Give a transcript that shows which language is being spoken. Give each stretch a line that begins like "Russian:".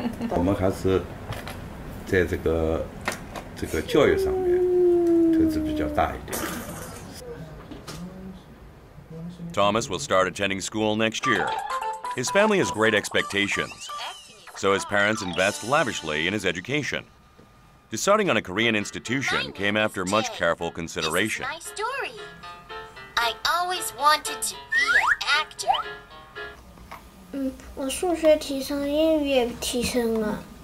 Chinese: 我们还是在这个教育上面投资比较大一点。
English: Thomas will start attending school next year. His family has great expectations, so his parents invest lavishly in his education. Deciding on a Korean institution came after much careful consideration. This is my story. I always wanted to be an actor.
Chinese: 我数学提升，英语也提升了。